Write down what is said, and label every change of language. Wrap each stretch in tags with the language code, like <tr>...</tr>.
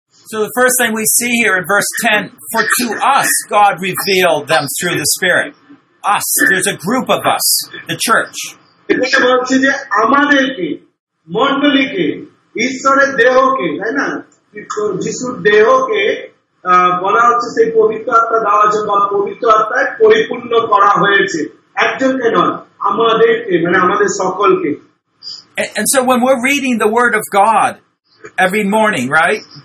<en>So the first thing we see here in verse 10, for to us God revealed them through the Spirit. Us, there's a group of us, the church.</en> <bn>এখানে বলছে যে আমাদেরকে, মন্ডলীকে, ঈশ্বরের দেহকে, তাই না, যিশুর দেহকে বলা হচ্ছে সেই পবিত্র আত্মা দেওয়া হয়েছে বা পবিত্র আত্মায় পরিপূর্ণ করা হয়েছে, একজনকে নয় আমাদেরকে, মানে আমাদের সকলকে।</bn> <en>And so when we're reading the word of God every morning, right?</en>